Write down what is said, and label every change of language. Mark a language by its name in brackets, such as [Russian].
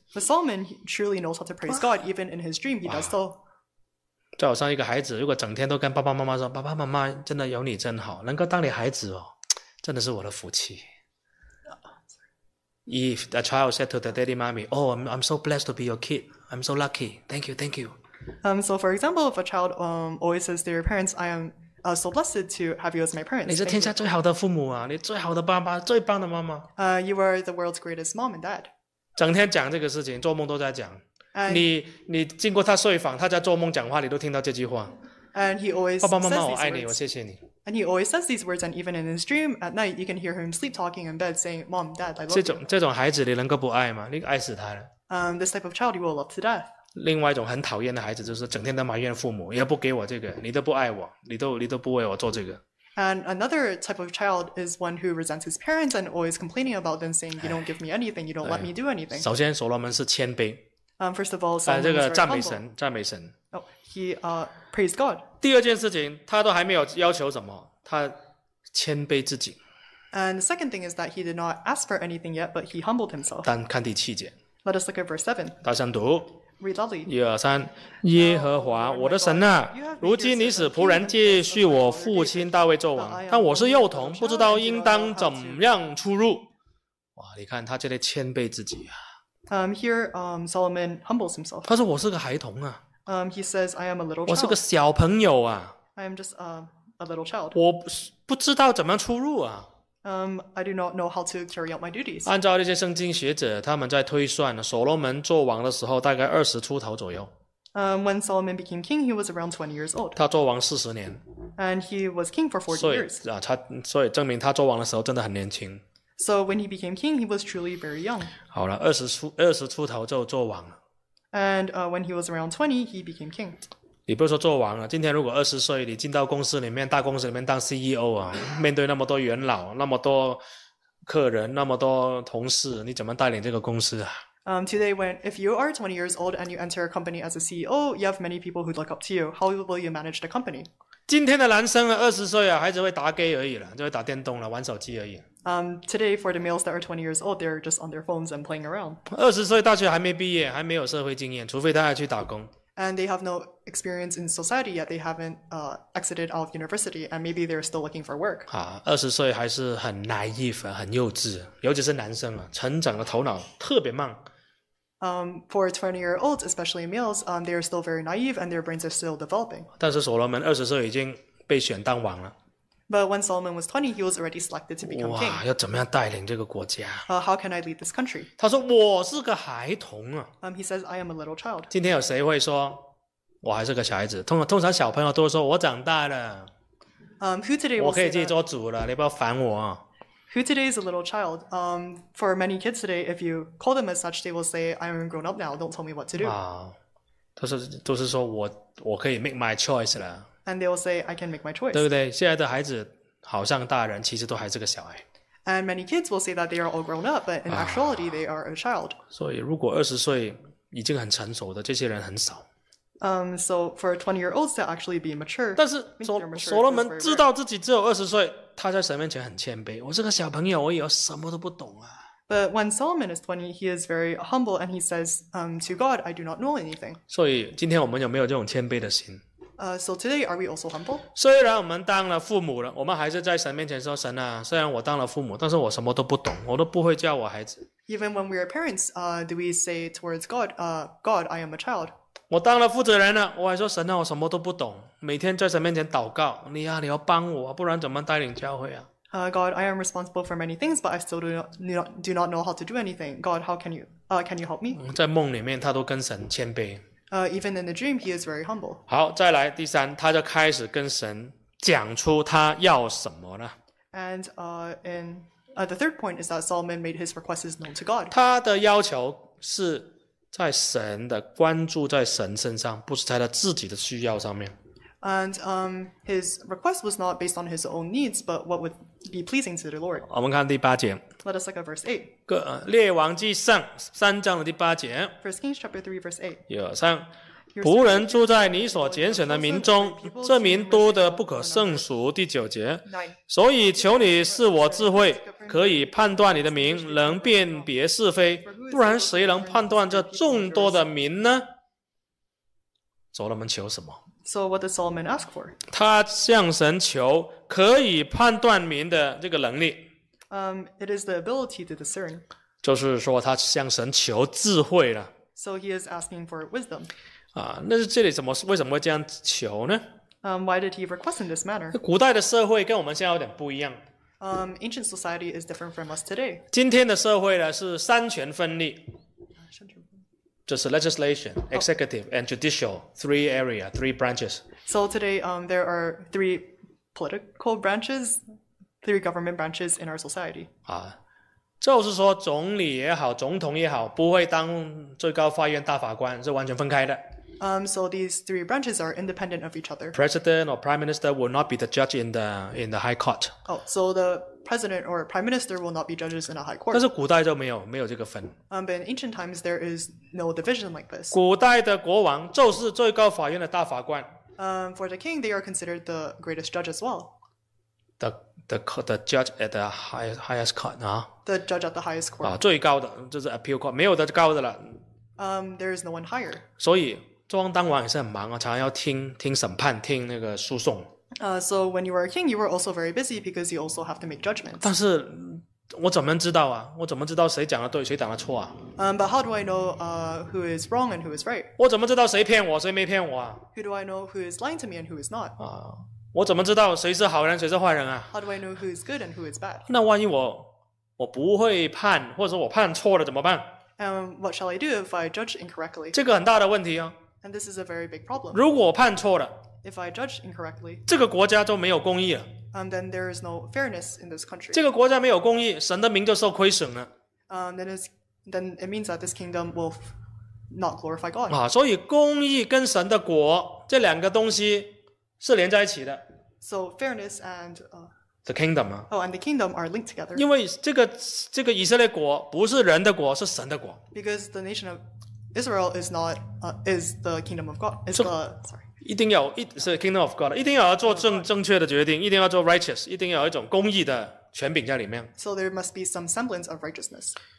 [English] But Solomon truly knows how to praise God, even in his dream, he does so. [Chinese] 就好像一个孩子，如果整天都跟爸爸妈妈说：“爸爸妈妈，真的有你真好，能够当你孩子哦，真的是我的福气。” [English] If a child said to the daddy, mommy, "Oh, I'm so blessed to be your kid. I'm so lucky. Thank you, thank you." So for example, if a child always says to your parents, "I am so blessed to have you as my parents." [Chinese] 你是天下最好的父母啊！你最好的爸爸，最棒的妈妈。 [English] You are the world's greatest mom and dad. [Chinese] 整天讲这个事情，做梦都在讲。你经过他睡房，他在做梦讲话，你都听到这句话。 [English] And he always [Chinese] 爸爸妈妈，我爱你，我谢谢你。 [English] And he always says these words, and even in his dream at night, you can hear him sleep talking in bed, saying, "Mom, Dad, I love you." [Chinese] 这种孩子，你能够不爱吗？你爱死他了。 [English] This type of child, you will love to death. [Chinese] 另外一种很讨厌的孩子，就是整天都埋怨父母，也不给我这个，你都不爱我，你都不为我做这个。 [English] And another type of child is one who resents his parents and always complaining about them, saying you don't give me anything, you don't let me do anything. [Chinese] 首先，所罗门是谦卑。 [English] First of all, Solomon is very [Chinese] humble. 这个赞美神，赞美神。 [English] Oh, he praised God. [Chinese] 第二件事情，他都还没有要求什么，他谦卑自己。 [English] And the second thing is that he did not ask for anything yet, but he humbled himself. [Chinese] 但看第七节。 [English] Let us look at verse 7. [Chinese] 大声读。 [English] read lovely. [Chinese] 一二三，耶和华，我的神啊，如今你使仆人继续我父亲大卫作王，但我是幼童，不知道应当怎样出入。哇，你看他这里谦卑自己啊。 [English] Here, Solomon humbles himself. [Chinese] 他说我是个孩童啊。 [English] He says I am a little child. [Chinese] 我是个小朋友啊。 [English] I am just a little child. [Chinese] 我不知道怎么样出入啊。 [English] I do not know how to carry out my duties. [Chinese] 按照那些圣经学者，他们在推算，所罗门做王的时候大概二十出头左右。 [English] When Solomon became king, he was around 20 years old. [Chinese] 他做王四十年。 [English] And he was king for 40 years. [Chinese] 所以证明他做王的时候真的很年轻。 [English] So when he became king, he was truly very young. [Chinese] 好了，二十出头就做王了。 [English] And when he was around 20, he became king. [Chinese] 你不是说做完了，今天如果二十岁你进到公司里面，大公司里面当 CEO 啊，面对那么多元老，那么多客人，那么多同事，你怎么带领这个公司啊？ [English] Today, when if you are 20 years old and you enter a company as a CEO, you have many people who look up to you. How will you manage the company? [Chinese] 今天的男生啊，二十岁啊，还只会打 game 而已了，就会打电动了，玩手机而已。 [English] Today, for the males that are 20 years old, they're just on their phones and playing around. [Chinese] 二十岁大学还没毕业，还没有社会经验，除非他要去打工。 [English] And they have no experience in society yet. They haven't exited out of university, and maybe they're still looking for work. [Chinese] 啊，二十岁还是很 naive, 很幼稚，尤其是男生啊，成长的头脑特别慢。 [English] For 20-year-olds, especially males, they are still very naive and their brains are still developing. [Chinese] 但是所罗门二十岁已经被选当王了。 [English] But when Solomon was 20, he was already selected to become king. [Chinese] 哇，要怎么样带领这个国家？ [English] How can I lead this country? [Chinese] 他说我是个孩童啊。 [English] He says I am a little child. [Chinese] 今天有谁会说我还是个小孩子？通常小朋友都说我长大了。 [English] Who today? [Chinese] 我可以自己做主了，你不要烦我。 [English] Who today is a little child? For many kids today, if you call them as such, they will say, I'm a grown up now, don't tell me what to do. [Chinese] 啊，都是说我可以 [English] make my choice [Chinese] 了。 [English] And they will say, I can make my choice. [Chinese] 对不对？现在的孩子好像大人，其实都还是个小孩。 [English] And many kids will say that they are all grown up, but in actuality, they are a child. [Chinese] 所以如果二十岁已经很成熟的，这些人很少。 [English] So for 20-year-olds to actually be mature, [Chinese] 但是所罗门知道自己只有二十岁，他在神面前很谦卑。我是个小朋友，我也什么都不懂啊。 [English] But when Solomon is 20, he is very humble and he says, to God, I do not know anything. [Chinese] 所以今天我们有没有这种谦卑的心？ [English] So today are we also humble? [Chinese] 虽然我们当了父母了，我们还是在神面前说，神啊，虽然我当了父母，但是我什么都不懂，我都不会教我孩子。 [English] Even when we are parents, do we say towards God, God, I am a child? [Chinese] 我当了负责人了，我还说神啊，我什么都不懂，每天在神面前祷告，你要帮我，不然怎么带领教会啊？ [English] God, I am responsible for many things, but I still do not know how to do anything. God, how can you, can you help me? [Chinese] 在梦里面，他都跟神谦卑。 [English] Even in the dream, he is very humble. [Chinese] 好，再来第三，他就开始跟神讲出他要什么了。 [English] And the third point is that Solomon made his requests known to God. [Chinese] 他的要求是。在神的关注在神身上，不是在他自己的需要上面。 [English] And his request was not based on his own needs, but what would be pleasing to the Lord. [Chinese] 我们看第八节。 [English] Let us look at verse 8. [Chinese] 列王记上三章的第八节。 [English] First Kings chapter 3 verse 8. [Chinese] 一二三。仆人住在你所拣选的民中，这民多得不可胜数。第九节，所以求你赐我智慧，可以判断你的民，能辨别是非。不然谁能判断这众多的民呢？所罗门求什么？ [English] So what does Solomon ask for? [Chinese] 他向神求可以判断民的这个能力。 [English] It is the ability to discern. [Chinese] 就是说他向神求智慧了。 [English] So he is asking for wisdom. [Chinese] 那是这里怎么为什么会这样求呢？ [English] Why did he request in this manner? [Chinese] 古代的社会跟我们现在有点不一样。 [English] Ancient society is different from us today. [Chinese] 今天的社会呢是三权分立，就是 [English] legislation, executive and judicial, three area, three branches. So today, there are three political branches, three government branches in our society. [Chinese] 就是说总理也好，总统也好，不会当最高法院大法官，是完全分开的。 [English] So these three branches are independent of each other. President or Prime Minister will not be the judge in the High Court. Oh, so the President or Prime Minister will not be judges in a High Court. [Chinese] 但是古代就没有这个分。 [English] But in ancient times, there is no division like this. [Chinese] 古代的国王就是最高法院的大法官。 [English] For the king, they are considered the greatest judge as well. The judge at the highest court, huh? The judge at the highest court. [Chinese] 最高的就是 [English] appeal court, [Chinese] 没有的高的了。 [English] There is no one higher. [Chinese] 所以当王也是很忙啊，常常要听审判，听那个诉讼。 [English] So when you were a king, you were also very busy because you also have to make judgments. [Chinese] 但是我怎么知道啊？我怎么知道谁讲的对，谁讲的错啊？ [English] But how do I know who is wrong and who is right? [Chinese] 我怎么知道谁骗我，谁没骗我啊 [English] ？Who do I know who is lying to me and who is not? [Chinese] 我怎么知道谁是好人，谁是坏人啊 [English] ？How do I know who is good and who is bad? [Chinese] 那万一我不会判，或者说我判错了怎么办 [English] ？What shall I do if I judge incorrectly? [Chinese] 这个很大的问题啊。 [English] And this is a very big problem. [Chinese] 如果我判错了 [English] if I judge incorrectly, [Chinese] 这个国家就没有公义了 [English] then there is no fairness in this country. [Chinese] 这个国家没有公义，神的名就受亏损了 [English] then it means that this kingdom will not glorify God. [Chinese] 所以公义跟神的国这两个东西是连在一起的。 [English] So fairness and the kingdom. Oh, and the kingdom are linked together. [Chinese] 因为这个以色列国不是人的国，是神的国。 [English] Because the nation of Israel is not is the kingdom of God. It's the sorry. [Chinese] 一定要是 [English] kingdom of God， [Chinese] 一定要做正确的决定，一定要做 righteous， 一定要有一种公义的权柄在里面。 [English] So there must be some semblance of righteousness.